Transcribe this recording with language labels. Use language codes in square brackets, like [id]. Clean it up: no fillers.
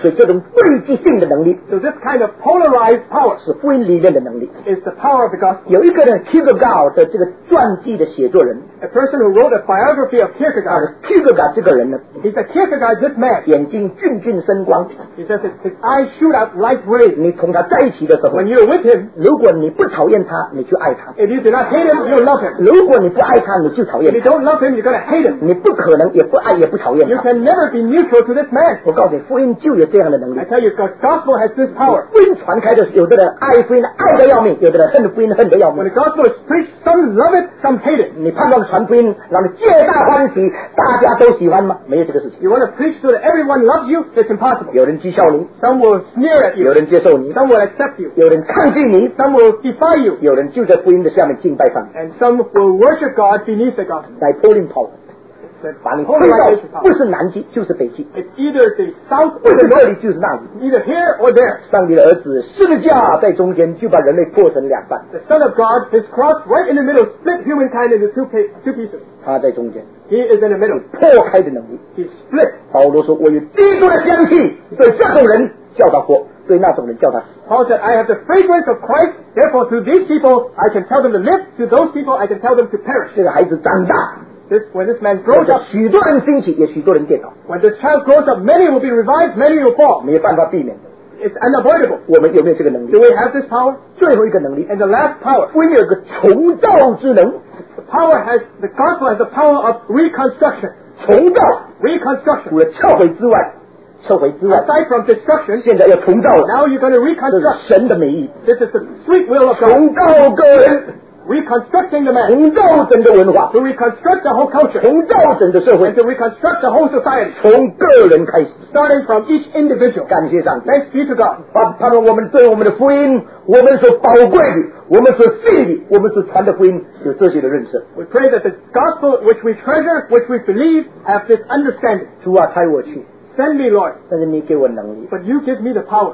[zh] 所以这种对立性的能力 [en] ，so this kind of polarized power [zh] 是福音理论的能力 [en] ，is the power of the gospel. [zh] 有一个人 Kierkegaard 的这个传记的写作人 [en] ，a person who wrote a biography of Kierkegaard. [zh] Kierkegaard 这个人呢 [en] ，he's a Kierkegaard this man. [zh] 眼睛俊俊生光 [en] ，he says his eyes shoot out light rays. [zh] 你同他在一起的时候 [en] ，when you're with him， [zh] 如果你不讨厌他，你就爱他 [en] ；if you do not hate him, you love him. [zh] 如果你不爱他，你就讨厌他 [en] ；if you don't love him, you're gonna hate him. [zh] 你不可能也不爱也不讨厌他。 [en] You can never be neutral to this man. [zh] 我告诉你，福音就有这样的能力。 [en] I tell you, the gospel has this power. [zh] 福音传开的，有的人爱福音爱的要命，有的人恨福音恨的要命。 [en] When the gospel is preached, some love it, some hate it. [zh] 你盼望传福音，让皆大欢喜，大家都喜欢吗？没有这个事情。 [en] You want to preach so that everyone loves you? It's impossible. [zh] 有人讥笑你。 [en] Some will sneer at you. [zh] 有人接受你。 [en] Some will accept you. [zh] 有人抗拒你。 [en] Some will defy you. [zh] 有人就在福音的下面敬拜上。 [en] And some will worship God beneath the gospel. [zh] 在 [en] pulling power. [zh] 把你推到不是南极就是北极 [en] It's either the south or the north [zh] 这里就是那里 [en] Either here or there [zh] 上帝的儿子十字架在中间就把人类破成两半 [en] The son of God his cross right in the middle split humankind into two pieces [zh] 他在中间 [en] He is in the middle [zh] 破开的能力 [en] He split [zh] 保罗说我有基督的香气对这种人叫他活对那种人叫他死 [en] Paul said I have the fragrance of Christ therefore to these people I can tell them to live to those people I can tell them to perish [zh] 这个孩子长大 [en] When this man grows up, [zh] 许多人兴起，也许多人跌倒。 [en] When this child grows up, many will be revived, many will fall. [zh] 没办法避免的。 [en] It's unavoidable. [zh] 我们有没有这个能力？ [en] Do we have this power? [zh] 最后一个能力。 [en] And the last power. [zh] 福音有个重造之能。 [en] The gospel has the power of reconstruction. [zh] 重造。 [en] Reconstruction. [zh] 除了撬毁之外。撤回之外 [en] Aside from destruction, [zh] 现在要重造了。 [en] Now you're going to reconstruct. [zh] 这是神的美意。 [en] This is the sweet will of God. [zh] 重造个人。 [en] Reconstructing the man. [zh] 重造整个文化 [en] To reconstruct the whole culture. [zh] 重造整个社会 [en] And to reconstruct the whole society. [zh] 从个人开始 [en] Starting from each individual. [zh] 感谢上帝 [en] Thanks be to God. [zh] 盼望我们对我们的福音我们所宝贵的我们所信的我们所传的福音有这些的认识 [en] We pray that the gospel which we treasure, which we believe, have this understanding. [zh] 主啊差我去 [en] Send me, Lord. [zh] 但是你给我能力 [en] But you give me the power.